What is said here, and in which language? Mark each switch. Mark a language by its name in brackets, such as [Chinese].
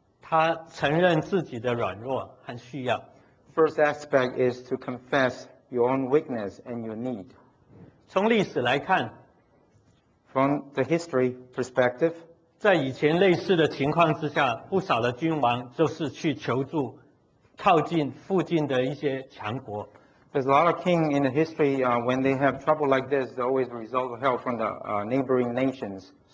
[Chinese] 他承认自己的软弱和需要。 [English] First aspect is to confess your own weakness and your need. [Chinese] 从历史来看， [English] From the history perspective, [Chinese] 在以前类似的情况之下，不少的君王就是去求助靠近附近的一些强国。 [English] There's a lot of kings in the history, when they have trouble like this, they always resort to help from the neighboring nations.